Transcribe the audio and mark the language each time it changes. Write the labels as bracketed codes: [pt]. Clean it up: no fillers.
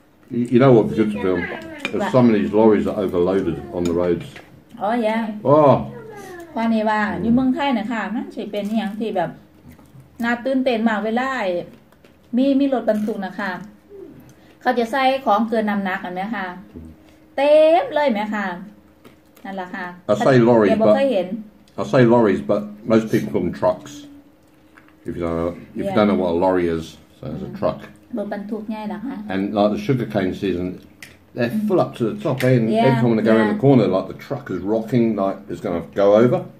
[en] You know what would be good to film? There's some of these lorries are overloaded on the roads. Oh yeah. Oh. [th] ว่านี่ว่าอยู่เมืองไทยนะคะมันสิเป็นอีหยังที่แบบน่าตื่นเต้นมากเวลามีรถบรรทุกนะคะเขาจะใส่ของเกินน้ำหนักอันนี้ค่ะเต็มเลยไหมคะนั่นแหละค่ะ [en] I say lorries but I say lorries but most people call them trucks. If you don't know, if you don't know what a lorry is, so it's a truck. [th] รถบรรทุกไงล่ะคะ [en] And like the sugarcane seasonThey're full up to the top, eh? And every time they go around the corner, like the truck is rocking, like it's going to go over.